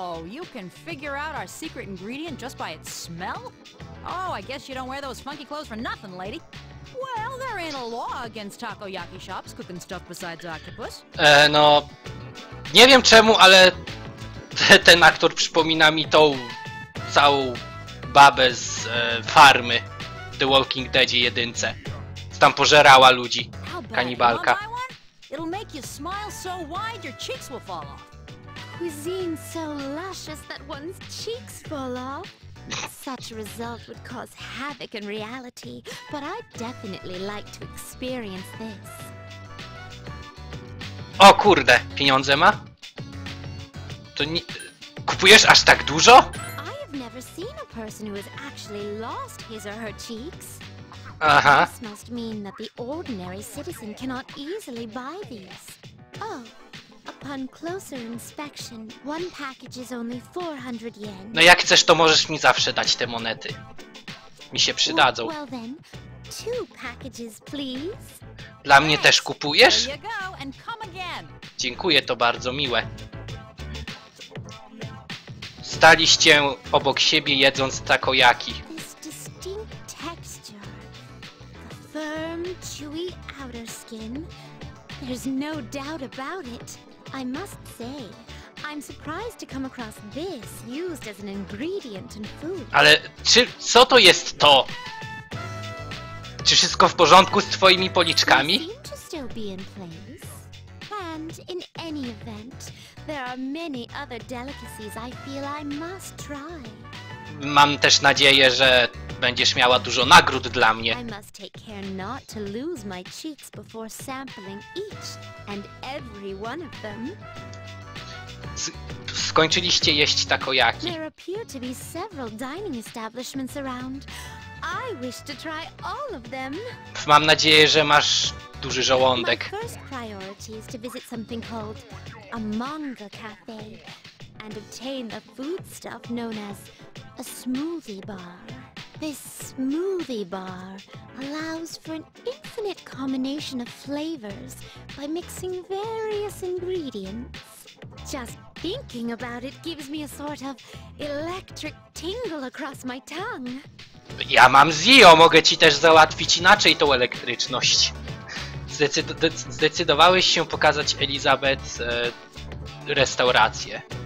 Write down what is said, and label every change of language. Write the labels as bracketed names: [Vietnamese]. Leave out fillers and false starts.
[English] You can figure out our secret ingredient just by its smell? Oh, I guess you don't wear those funky clothes for nothing, lady. Well, there ain't a law against takoyaki shops cooking stuff besides octopus. [Polish] No, nie wiem czemu, ale ten aktor przypomina mi tą całą babę z farmy The Walking Dead jedynce. Tam pożerała ludzi, kanibalka. [English] It'll make you smile so wide your cheeks will fall off. Cuisine so luscious that one's cheeks fall off. Such a result would cause havoc in reality, but I'd definitely like to experience this. [Polish] O kurde, pieniądze ma? To nie... Kupujesz aż tak dużo? [English] I have never seen a person who has actually lost his or her cheeks. Aha. This must mean that the ordinary citizen cannot easily buy these. Oh. Upon closer inspection, one package is only 400 yen. [Polish] No jak chcesz, to możesz mi zawsze dać te monety. Mi się przydadzą. [English] Well, well then, two packages, please. [Polish] Dla mnie też kupujesz? [English] There you go, and come again. [Polish] Dziękuję, to bardzo miłe. Staliście obok siebie jedząc takoyaki. [English] This distinct texture, the firm, chewy outer skin. There's no doubt about it. I must say, I'm surprised to come across this used as an ingredient in food. [Polish] Ale czy co to jest to? Czy wszystko w porządku z twoimi policzkami? [English] To still be in place. And in any event, there are many other delicacies I feel I must try. [Polish] Mam też nadzieję, że będziesz miała dużo nagród dla mnie. [English] I must take care not to lose my cheeks before sampling each and every one of them. [Polish] Skończyliście jeść takoyaki. [English] There appear to be several dining establishments around. I wish to try all of them. [Polish] Mam nadzieję, że masz duży żołądek. [English] My first priority is to visit something called a manga cafe and obtain the food stuff known as a smoothie bar. This smoothie bar allows for an infinite combination of flavors by mixing various ingredients. Just thinking about it gives me a sort of electric tingle across my tongue. [Polish] Ja mam ZIO, mogę ci też załatwić inaczej tą elektryczność. zdecydowałeś się pokazać Elizabeth restaurację.